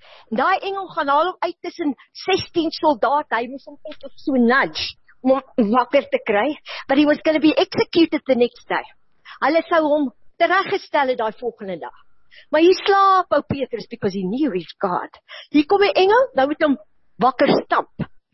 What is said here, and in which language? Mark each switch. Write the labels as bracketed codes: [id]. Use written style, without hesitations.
[af] Daai engel gaan haal hom uit tussen 16 soldate. Hy moes hom net op so nudge om hom wakker te kry. [en] But he was going to be executed the next day. [af] Hulle sou hom tereggestel het daai volgende dag. Maar hy slaap ou Petrus [en] because he knew his God. [af] Hier kom 'n engel, nou moet hom wakker stamp.